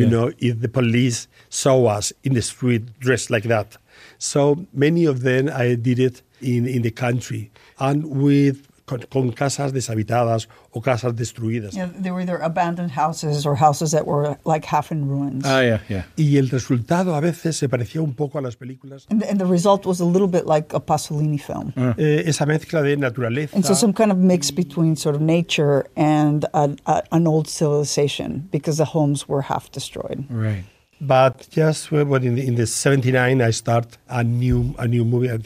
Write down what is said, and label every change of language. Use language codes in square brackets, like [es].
[en] You know, if the police saw us in the street dressed like that. So many of them, I did it in the country. And with... [es] con casas deshabitadas o casas destruidas. [en] Yeah, they were either abandoned houses or houses that were like half in ruins. Yeah. [es] Y el resultado a veces se parecía un poco a las películas. [en] And the result was a little bit like a Pasolini film. [es] Esa mezcla de naturaleza. [en] And so some kind of mix between sort of nature and an old civilization, because the homes were half destroyed. Right. But just in the 79, I start a new movie.